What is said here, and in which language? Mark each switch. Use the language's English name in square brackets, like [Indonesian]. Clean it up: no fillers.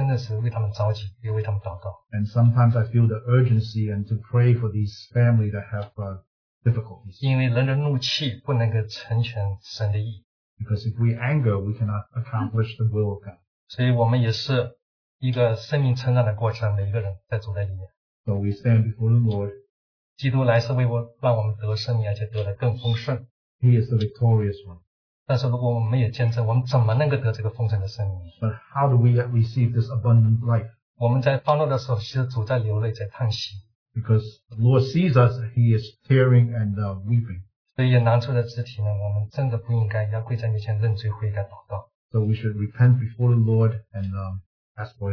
[Chinese] 所以我看见他们，就是我们肢体有这么多难处，真心真的是为他们着急，也为他们祷告。 [English] And sometimes I feel the urgency and to pray for these family that have difficulties. [Chinese] 因为人的怒气不能够成全神的意。 [English] Because if we anger, we cannot accomplish the will of God. [Chinese] 所以我们也是。一个生命成长的过程，每一个人在主的里面。 [English] So we stand before the Lord. [Chinese] 基督来是为我让我们得生命，而且得的更丰盛。 [English] He is the victorious one. [Chinese] 但是如果我们没有见证，我们怎么能够得这个丰盛的生命？ [English] But how do we receive this abundant life? [Chinese] 我们在欢乐的时候，其实主在流泪，在叹息。 [English] Because the Lord sees us, He is tearing and weeping. [Chinese] 所以有难处的肢体呢，我们真的不应该要跪在面前认罪悔改祷告。 [English] So we should repent before the Lord and as for